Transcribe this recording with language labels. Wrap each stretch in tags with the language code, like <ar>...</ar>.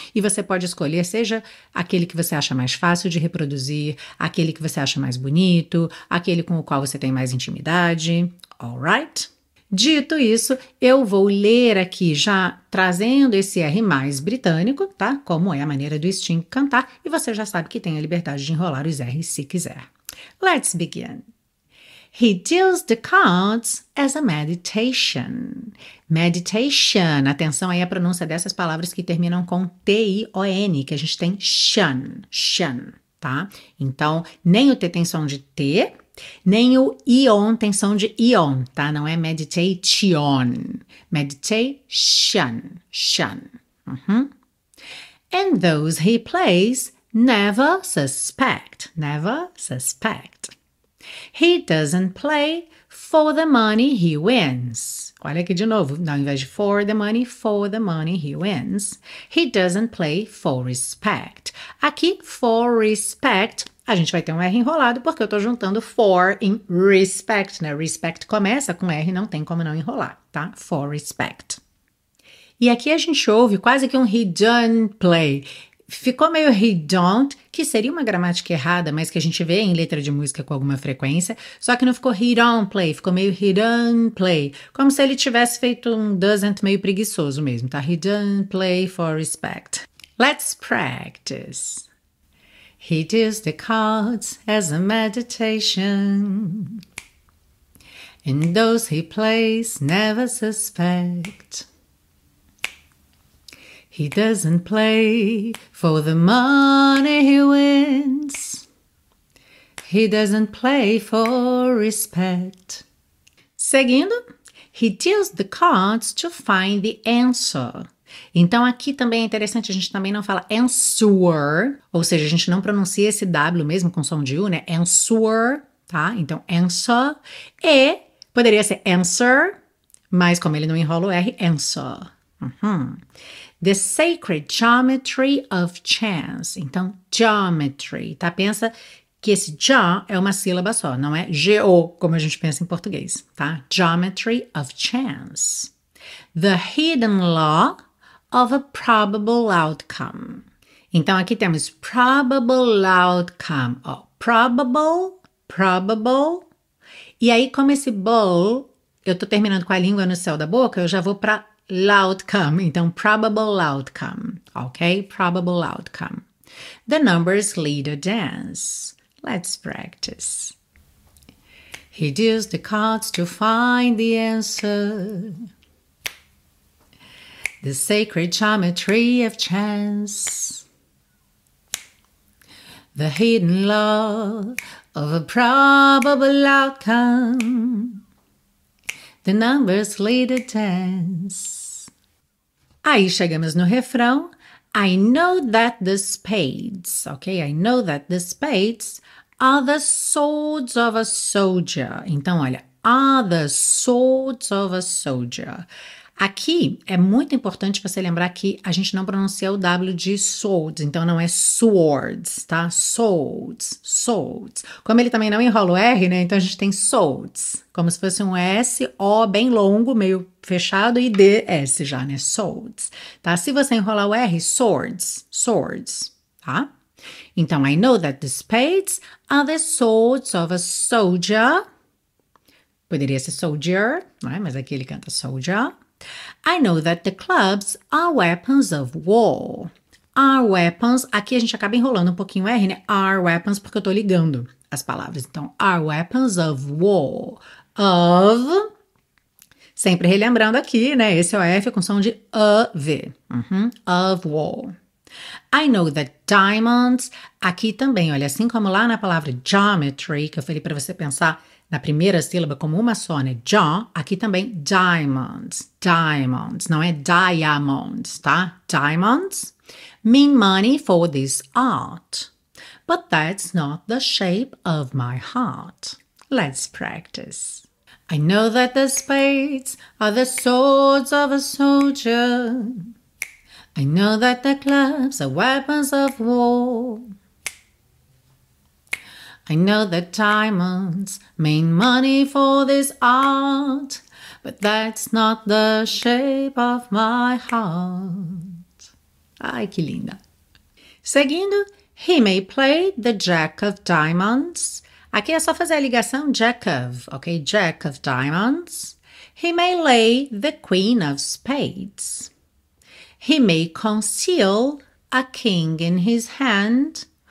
<pt>E você pode escolher, seja aquele que você acha mais fácil de reproduzir, aquele que você acha mais bonito, aquele com o qual você tem mais intimidade.</pt> <en>All right?</en> <pt>Dito isso, eu vou ler aqui já trazendo esse R mais britânico, tá? Como é a maneira do Sting cantar. E você já sabe que tem a liberdade de enrolar os R's se quiser.</pt> <en>Let's begin. He deals the cards as a meditation. Meditation.</en> <pt>Atenção aí à pronúncia dessas palavras que terminam com T-I-O-N, que a gente tem shun, shun, tá? Então, nem o T tem som de T, nem o ion tem som de ion, tá? Não é meditation. Meditation, shun. Uhum.</pt> <en>And those he plays never suspect, never suspect. He doesn't play for the money he wins.</en> <pt>Olha aqui de novo, ao invés de</pt> <en>for the money he wins. He doesn't play for respect.</en> <pt>Aqui,</pt> <en>for respect,</en> <pt>a gente vai ter um R enrolado porque eu estou juntando for em respect, né? Respect começa com R, não tem como não enrolar, tá?</pt> <en>For respect.</en> <pt>E aqui a gente ouve quase que um</pt> <en>he don't play.</en> <pt>Ficou meio he don't, que seria uma gramática errada, mas que a gente vê em letra de música com alguma frequência, só que não ficou he don't play, ficou meio he don't play, como se ele tivesse feito um doesn't meio preguiçoso mesmo, tá?</pt> <en>He don't play for respect. Let's practice. He deals the cards as a meditation, and those he plays never suspect. He doesn't play for the money he wins. He doesn't play for respect.</en> <pt>Seguindo,</pt> <en>he deals the cards to find the answer.</en> <pt>Então, aqui também é interessante, a gente também não fala answer, ou seja, a gente não pronuncia esse W mesmo com som de U, né? Answer, tá? Então, answer. E poderia ser answer, mas como ele não enrola o R, answer.</pt> <en>The Sacred Geometry of Chance.</en> <pt>Então, geometry, tá? Pensa que esse ja é uma sílaba só, não é geo, como a gente pensa em português, tá?</pt> <en>Geometry of Chance. The Hidden Law of a Probable Outcome.</en> <pt>Então, aqui temos</pt> <en>probable outcome,</en> <pt>ó. Probable, probable. E aí, como esse bowl, eu tô terminando com a língua no céu da boca, eu já vou para outcome. Então,</pt> <en>probable outcome,</en> <pt>ok?</pt> <en>Probable outcome. The numbers lead a dance. Let's practice. He deals the cards to find the answer. The sacred geometry of chance. The hidden law of a probable outcome. The numbers lead a dance.</en> <pt>Aí chegamos no refrão.</pt> <en>I know that the spades, ok? I know that the spades are the swords of a soldier.</en> <pt>Então, olha,</pt> <en>are the swords of a soldier.</en> <pt>Aqui é muito importante você lembrar que a gente não pronuncia o W de swords, então não é swords, tá? Swords, swords. Como ele também não enrola o R, né? Então a gente tem swords, como se fosse um S, O bem longo, meio fechado, e D, S já, né? Swords, tá? Se você enrolar o R, swords, swords, tá?</pt> <en>Então, I know that the spades are the swords of a soldier.</en> <pt>Poderia ser soldier, né? Mas aqui ele canta soldier.</pt> <en>I know that the clubs are weapons of war. Are weapons.</en> <pt>Aqui a gente acaba enrolando um pouquinho o R, né?</pt> <en>Are weapons,</en> <pt>porque eu tô ligando as palavras.</pt> <en>Então, are weapons of war.</en> <pt>Of. Sempre relembrando aqui, né? Esse é o F com som de of.</pt> <en>Of war. I know that diamonds.</en> <pt>Aqui também, olha, assim como lá na palavra geometry, que eu falei para você pensar. Na primeira sílaba, como uma só, né? John, aqui também, diamonds. Diamonds, não é diamonds, tá?</pt> <en>Diamonds mean money for this art. But that's not the shape of my heart. Let's practice. I know that the spades are the swords of a soldier. I know that the clubs are weapons of war. I know that diamonds mean money for this art, but that's not the shape of my heart.</en> <pt>Ai, que linda! Seguindo,</pt> <en>he may play the Jack of Diamonds.</en> <pt>Aqui é só fazer a ligação</pt> <en>Jack of,</en> <pt>ok?</pt> <en>Jack of Diamonds. He may lay the Queen of Spades. He may conceal a king in his hand.</en>